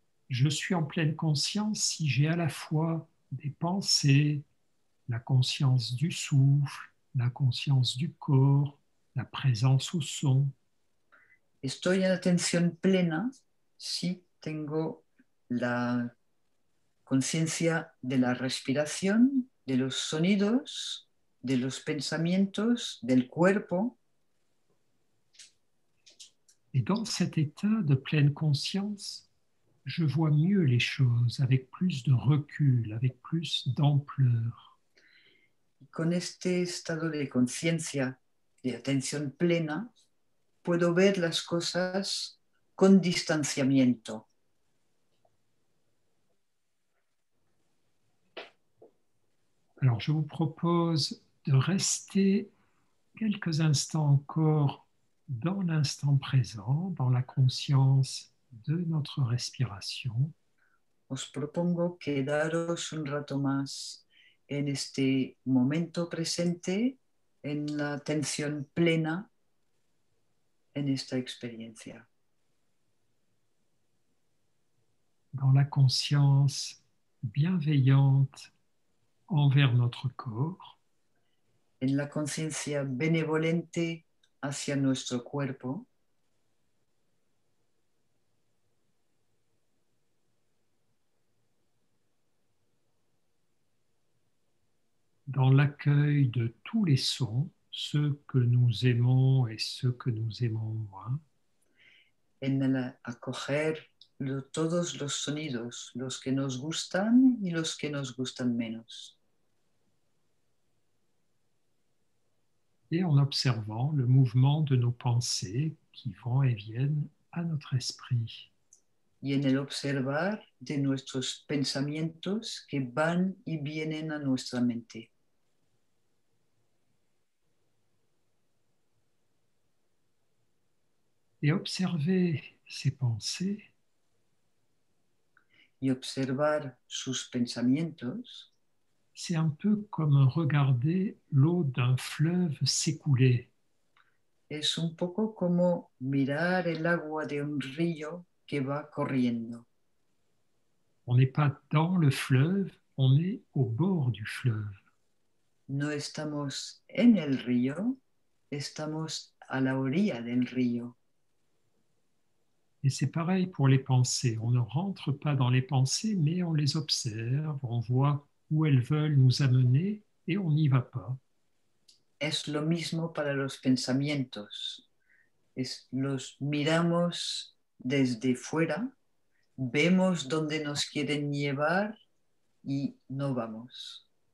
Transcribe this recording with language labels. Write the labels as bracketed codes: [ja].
[fr] Je suis en pleine conscience si j'ai à la fois des pensées, la conscience du souffle, la conscience du corps, la présence au son. [es] Estoy en atención plena si tengo la conciencia de la respiración, de los sonidos, de los pensamientos, del cuerpo. [fr] Et dans cet état de pleine conscience, je vois mieux les choses avec plus de recul, avec plus d'ampleur. [es] Y con este estado de conciencia, de atención plena, puedo ver las cosas con distanciamiento. [fr] Alors, je vous propose de rester quelques instants encore dans l'instant présent, dans la conscience de notre respiration. [es] Os propongo quedaros un rato más en este momento presente, en la atención plena, en esta experiencia. [fr] Dans la conscience bienveillante envers notre corps. [es] En la conciencia benevolente hacia nuestro cuerpo. [fr] Dans l'accueil de tous les sons, ceux que nous aimons et ceux que nous aimons moins. [es] En el acoger todos los sonidos, los que nos gustan y los que nos gustan menos. [fr] Et en observant le mouvement de nos pensées qui vont et viennent à notre esprit. [es] Y en el observar de nuestros pensamientos que van y vienen a nuestra mente. [fr] Et observer ses pensées. [es] Y observar sus pensamientos. [fr] C'est un peu comme regarder l'eau d'un fleuve s'écouler. [es] Es un poco como mirar el agua de un río que va corriendo. [fr] On n'est pas dans le fleuve, on est au bord du fleuve. [es] No estamos en el río, estamos a la orilla del río. [fr] Et c'est pareil pour les pensées. On ne rentre pas dans les pensées, mais on les observe, on voit où elles veulent nous amener et on n'y va pas. [es] Es lo mismo para los pensamientos. Los miramos desde fuera, vemos dónde nos quieren llevar y no vamos.